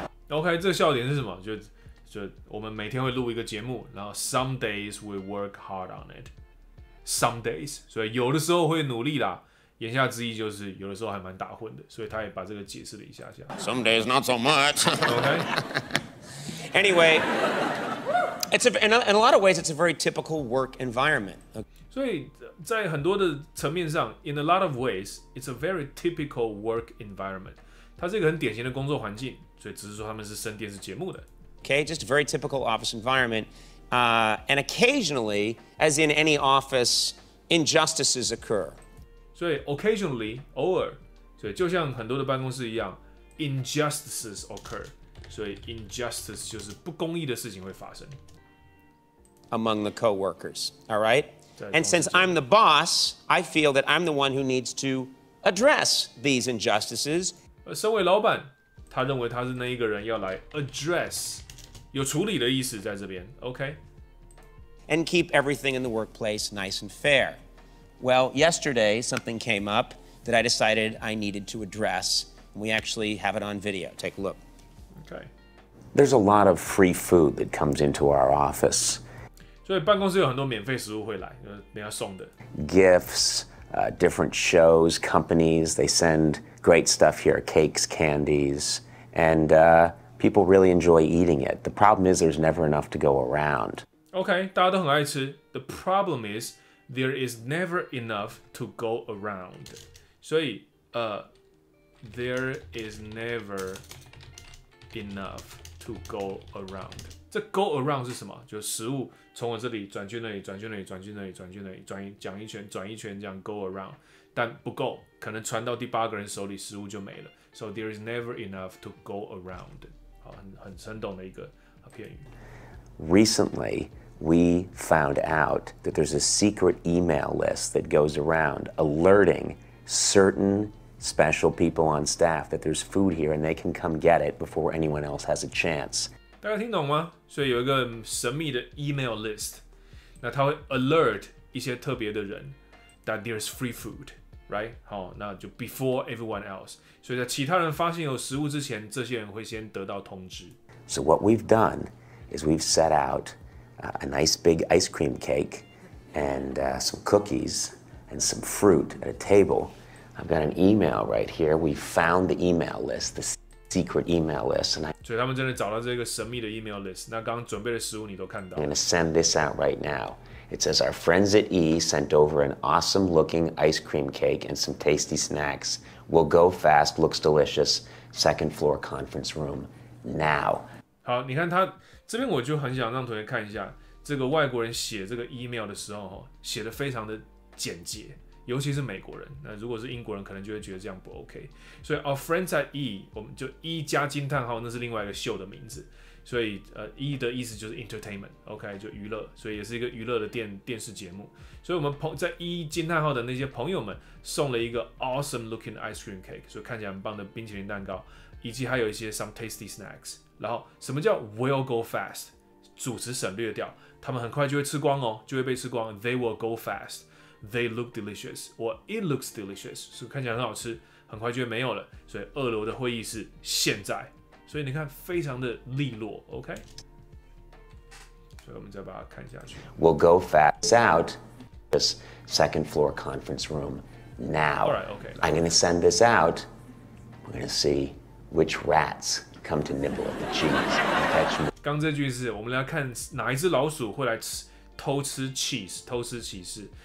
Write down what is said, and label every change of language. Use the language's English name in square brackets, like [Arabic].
[Chinese] OK， 这个笑点是什么？就我们每天会录一个节目，然后 [English] some days we work hard on it。 Some days， [Chinese] 所以有的时候会努力啦。言下之意就是有的时候还蛮打混的，所以他也把这个解释了一下下。 [English] Some days not so much. Okay. Anyway, it's in a lot of ways it's a very typical work environment. [Chinese] 所以在很多的层面上 [English] ，in a lot of ways it's a very typical work environment. [Chinese] 它是一个很典型的工作环境，所以只是说他们是深电视节目的。 [English] Okay, just a very typical office environment. And occasionally, as in any office, injustices occur. So occasionally, [Chinese] 偶尔，所以就像很多的办公室一样 ， [English] injustices occur. [Chinese] 所以 injustice 就是不公义的事情会发生。 [English] Among the coworkers, all right. And since I'm the boss, I feel that I'm the one who needs to address these injustices. [Chinese] 身为老板，他认为他是那一个人要来 address。有处理的意思在这边 ，OK。 [English] And keep everything in the workplace nice and fair. Well, yesterday something came up that I decided I needed to address. We actually have it on video. Take a look. Okay. There's a lot of free food that comes into our office. [Chinese] 所以办公室有很多免费食物会来，就是人家送的。 [English] Gifts, different shows, companies, they send great stuff here, cakes, candies, and. People really enjoy eating it. The problem is there's never enough to go around. [Chinese] Okay, 大家都很爱吃。 [English] The problem is there is never enough to go around. 所以there is never enough to go around. [Chinese] 这 go around 是什么？就食物从我这里转去那里，转去那里，转去那里，转去那里，转一讲一圈，转一圈这样 go around， 但不够，可能传到第八个人手里，食物就没了。 [English] So there is never enough to go around. [Chinese] 很生动的一个片语。 [English] Recently, we found out that there's a secret email list that goes around alerting certain special people on staff that there's food here and they can come get it before anyone else has a chance. [Chinese] 大家听懂吗？所以有一个神秘的 email list， 那它会 alert 一些特别的人 [English] that there's free food。 Right， [Chinese] 好，那就 [English] before everyone else。 [Chinese] 所以在其他人发现有食物之前，这些人会先得到通知。 [English] So what we've done is we've set out a nice big ice cream cake and some cookies and some fruit at a table. I've got an email right here. We found the email list, the secret email list. And [Chinese] 所以他们真的找到这个神秘的 email list。那刚刚准备的食物你都看到。 [English] I'm gonna send this out right now. It says our friends at E sent over an awesome-looking ice cream cake and some tasty snacks. We'll go fast. Looks delicious. Second floor conference room now. [Chinese] 好，你看他这边，我就很想让同学看一下这个外国人写这个 email 的时候，写的非常的简洁，尤其是美国人。那如果是英国人，可能就会觉得这样不 OK。所以 [English] our friends at E， [Chinese] 我们就 E 加惊叹号，那是另外一个秀的名字。所以E 的意思就是 entertainment，OK，、okay? 就娱乐，所以也是一个娱乐的电视节目。所以我们在E惊叹号的那些朋友们送了一个 [English] awesome looking ice cream cake， [Chinese] 所以看起来很棒的冰淇淋蛋糕，以及还有一些 [English] some tasty snacks。 [Chinese] 然后什么叫 [English] will go fast？ [Chinese] 主词省略掉，他们很快就会吃光哦，就会被吃光。 [English] They will go fast. They look delicious. Or it looks delicious. [Chinese] 所以看起来很好吃，很快就会没有了。所以二楼的会议室现在。所以你看，非常的利落 ，OK。所以我们再把它看下去。 [English] We'll go fast out this second floor conference room now. All right, okay. I'm going to send this out. We're going to see which rats come to nibble at the cheese and catch me. [Chinese] 刚这句是，我们来看哪一只老鼠会来吃偷吃 cheese， 偷吃起士。